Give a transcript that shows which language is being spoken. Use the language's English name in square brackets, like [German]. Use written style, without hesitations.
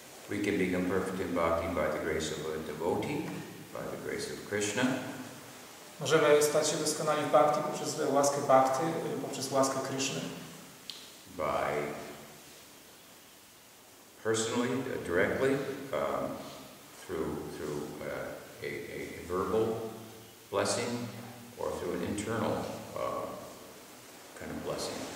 [English] We can become perfect in bhakti by the grace of a devotee, by the grace of Krishna. [Polish] Możemy stać się doskonali w bhakti poprzez łaskę bhakti, poprzez łaskę Krishny. [English] By personally, directly, through a verbal blessing or through an internal kind of blessing.